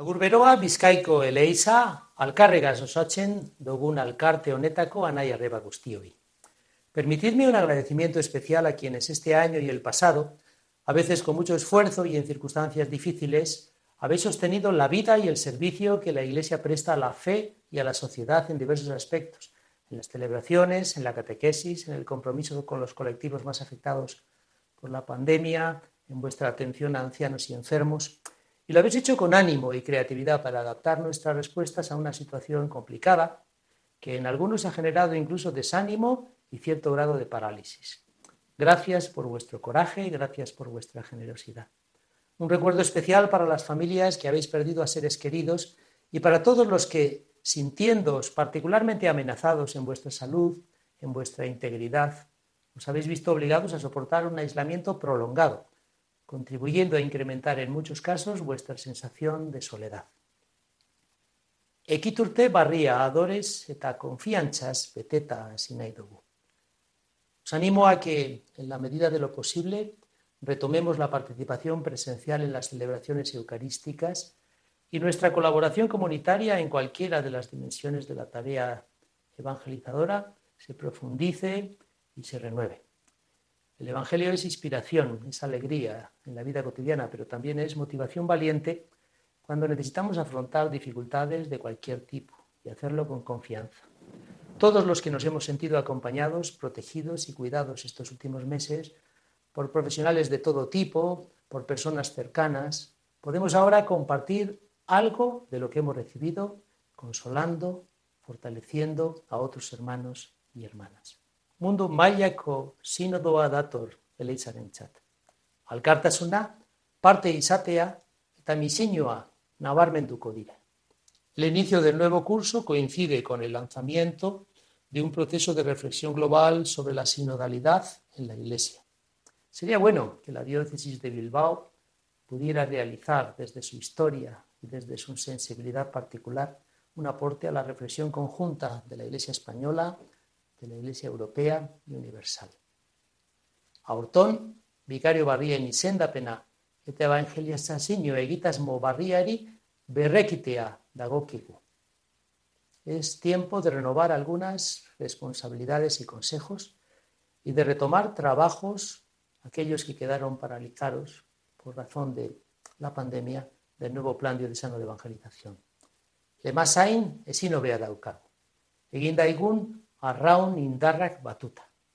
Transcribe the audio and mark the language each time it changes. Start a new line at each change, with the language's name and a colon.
Basque: Agur beroa, Bizkaiko Eleiza, alkarregaz osatzen dugun alkarte honetako anai arreba guztioi.
Spanish: Permitidme un agradecimiento especial a quienes este año y el pasado, a veces con mucho esfuerzo y en circunstancias difíciles, habéis sostenido la vida y el servicio que la Iglesia presta a la fe y a la sociedad en diversos aspectos, en las celebraciones, en la catequesis, en el compromiso con los colectivos más afectados por la pandemia, en vuestra atención a ancianos y enfermos. Y lo habéis hecho con ánimo y creatividad para adaptar nuestras respuestas a una situación complicada que en algunos ha generado incluso desánimo y cierto grado de parálisis. Gracias por vuestro coraje y gracias por vuestra generosidad. Un recuerdo especial para las familias que habéis perdido a seres queridos y para todos los que, sintiéndoos particularmente amenazados en vuestra salud, en vuestra integridad, os habéis visto obligados a soportar un aislamiento prolongado, contribuyendo a incrementar en muchos casos vuestra sensación de soledad.
Basque: Ekiturte barria adores eta konfiantzas beteta hasi nahi dugu.
Spanish: Os animo a que, en la medida de lo posible, retomemos la participación presencial en las celebraciones eucarísticas y nuestra colaboración comunitaria en cualquiera de las dimensiones de la tarea evangelizadora se profundice y se renueve. El Evangelio es inspiración, es alegría en la vida cotidiana, pero también es motivación valiente cuando necesitamos afrontar dificultades de cualquier tipo y hacerlo con confianza. Todos los que nos hemos sentido acompañados, protegidos y cuidados estos últimos meses por profesionales de todo tipo, por personas cercanas, podemos ahora compartir algo de lo que hemos recibido, consolando, fortaleciendo a otros hermanos y hermanas.
Basque: Mundu mailako sinodoa dator eleitzarentzat. Alkartasuna, parte izatea eta misiñoa nabarmenduko dira.
Spanish: El inicio del nuevo curso coincide con el lanzamiento de un proceso de reflexión global sobre la sinodalidad en la Iglesia. Sería bueno que la diócesis de Bilbao pudiera realizar desde su historia y desde su sensibilidad particular un aporte a la reflexión conjunta de la Iglesia española, de la Iglesia Europea y Universal.
Basque: Aurton, vicario barrien izendapena, eta evangelizazio egitasmo barriari berrekitea dagokigu.
Spanish: Es tiempo de renovar algunas responsabilidades y consejos y de retomar trabajos, aquellos que quedaron paralizados por razón de la pandemia, del nuevo plan diocesano de evangelización.
Basque: Lemasain, esinobea daukagu. Egindaigun, arraun indarrak batuta.